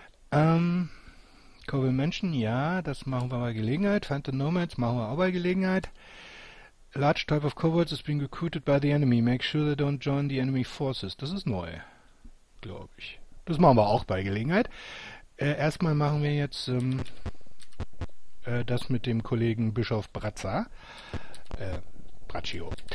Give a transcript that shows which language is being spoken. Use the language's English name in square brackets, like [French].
[German] Kobe Menschen, ja, das machen wir bei Gelegenheit. [English] Find the Nomads, [German] machen wir auch bei Gelegenheit. [English] Large type of Kobolds is being recruited by the enemy. Make sure they don't join the enemy forces. [German] Das ist neu, glaube ich. Das machen wir auch bei Gelegenheit. Erstmal machen wir jetzt das mit dem Kollegen Bischof Brazza. Braccio.